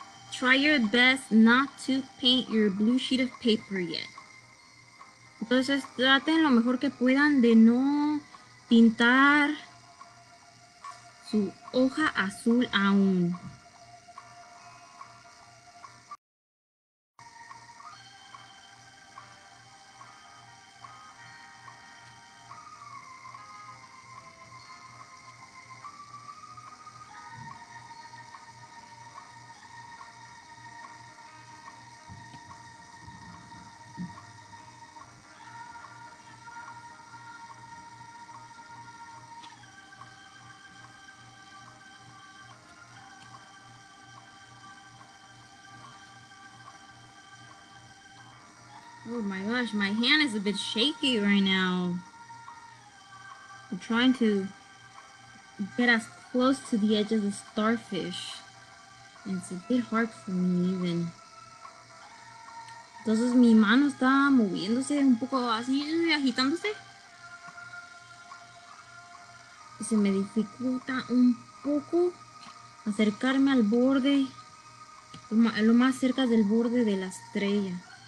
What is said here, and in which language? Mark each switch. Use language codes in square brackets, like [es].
[en] Try your best not to paint your blue sheet of paper yet. [es] Entonces, traten lo mejor que puedan de no pintar su hoja azul aún. [en] Oh my gosh, my hand is a bit shaky right now. I'm trying to get as close to the edge of the starfish. And it's a bit hard for me even. [es] Entonces mi mano está moviéndose un poco así, agitándose. Y se me dificulta un poco acercarme al borde, lo más cerca del borde de la estrella.